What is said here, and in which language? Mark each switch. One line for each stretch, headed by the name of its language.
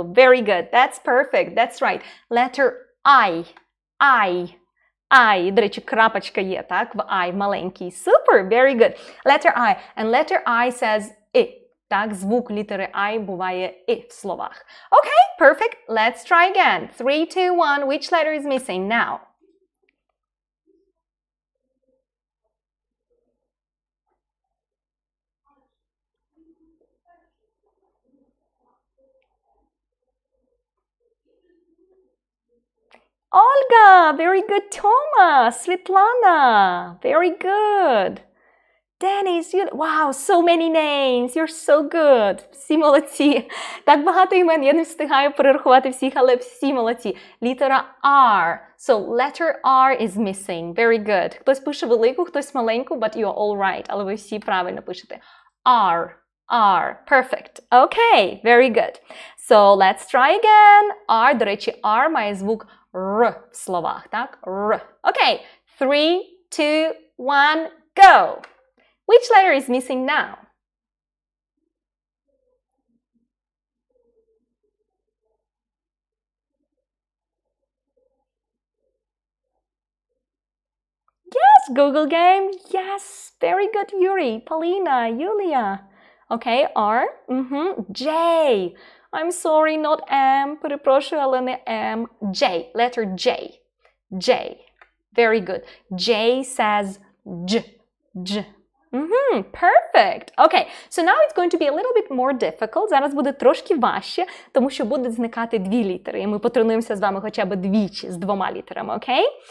English: Very good. That's perfect. That's right. Letter I. I. I.
Ukrainian: До речі, крапочка є, так? В I маленький.
English: Super. Very good. Letter I. And letter I says I.
Ukrainian: Так, звук літери I буває I в словах.
English: Okay, perfect. Let's try again. 3, 2, 1. Which letter is missing now? Olga, very good. Thomas, Svetlana, very good. Dennis, you, wow, so many names. You're so good.
Ukrainian: Всі молодці. Так багато імен, я не встигаю перерахувати всіх, але всі молодці. Літера R.
English: So letter R is missing. Very good.
Ukrainian: Хтось пише велику, хтось маленьку,
English: but you're all right.
Ukrainian: Але ви всі правильно пишете.
English: R. R. Perfect. Okay, very good. So let's try again.
Ukrainian: R, до речі, R має звук Р в словах, так?
English: Р. Окей. 3, 2, 1, go! Which letter is missing now? Yes, Google game! Yes, very good, Yuri, Polina, Julia. Окей, okay, R. Mm-hmm. J. I'm sorry, not M.
Ukrainian: Перепрошую, але не M.
English: J. Letter J. J. Very good. J says J. J. Mm-hmm. Perfect. Okay, so now it's going to be a little bit more difficult.
Ukrainian: Зараз буде трошки важче, тому що будуть зникати дві літери. І ми потренуємося з вами хоча б двічі з двома літерами, okay?